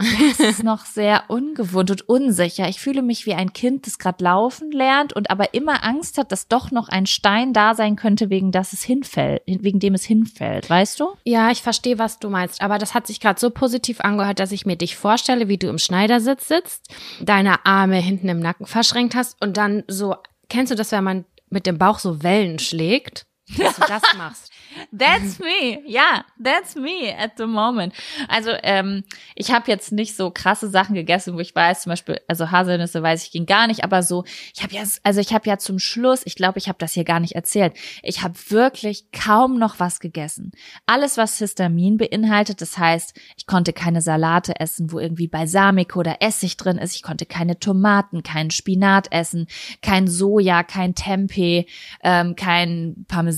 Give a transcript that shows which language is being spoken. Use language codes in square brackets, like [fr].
[de] Es ist noch sehr ungewohnt und unsicher. Ich fühle mich wie ein Kind, das gerade laufen lernt und aber immer Angst hat, dass doch noch ein Stein da sein könnte, wegen dem es hinfällt, weißt du? Ja, ich verstehe, was du meinst, aber das hat sich gerade so positiv angehört, dass ich mir dich vorstelle, wie du im Schneidersitz sitzt, deine Arme hinten im Nacken verschränkt hast und dann so, kennst du das, wenn man mit dem Bauch so Wellen schlägt? Dass du das machst. [en] That's me. Yeah, that's me at the moment. [de] Also ich habe jetzt nicht so krasse Sachen gegessen, wo ich weiß, zum Beispiel, also Haselnüsse weiß ich, ging gar nicht. Aber so, ich habe zum Schluss, ich glaube, ich habe das hier gar nicht erzählt. Ich habe wirklich kaum noch was gegessen. Alles, was Histamin beinhaltet, das heißt, ich konnte keine Salate essen, wo irgendwie Balsamico oder Essig drin ist. Ich konnte keine Tomaten, keinen Spinat essen, kein Soja, kein Tempeh, kein Parmesan.